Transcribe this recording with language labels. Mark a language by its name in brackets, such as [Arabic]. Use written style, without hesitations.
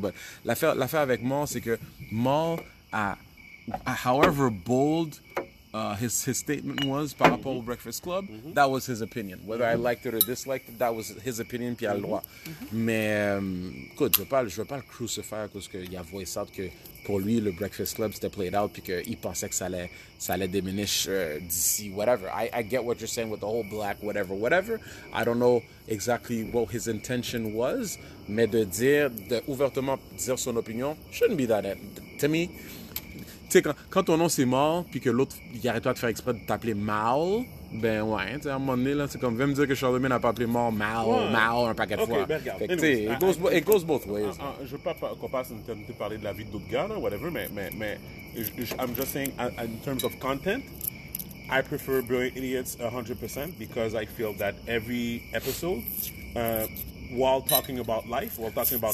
[French] But l'affaire avec Maul, c'est que Maul a [English] however bold his statement was [French] par rapport au Breakfast Club, [English] that was his opinion. Whether I liked it or disliked it, that was his opinion, [French] puis à la loi. Mais, écoute, je veux pas le crucifier parce qu'il a [English] voice out [French] que pour lui, le Breakfast Club, c'était [English] played out, [French] puis qu'il pensait que ça allait diminish d'ici, whatever. [English] I get what you're saying with the whole black, whatever. I don't know exactly what his intention was, [French] mais de ouvertement dire son opinion, [English] shouldn't be that. [French] To me, tu sais, quand ton nom c'est Maul, puis que l'autre, il arrête pas de faire exprès de t'appeler Maul, ben ouais, tu sais, à un moment donné, là, c'est comme, viens me dire que Charlemagne n'a pas appelé Maul, un paquet de fois. Ok, ben regarde. Tu sais, [English] it goes both ways. [French] Je veux pas qu'on passe en de parler de la vie d'autres gars, là, [English] whatever, mais, I'm just saying, in terms of content, I prefer Brilliant Idiots 100% because I feel that every episode, while talking about life, while talking about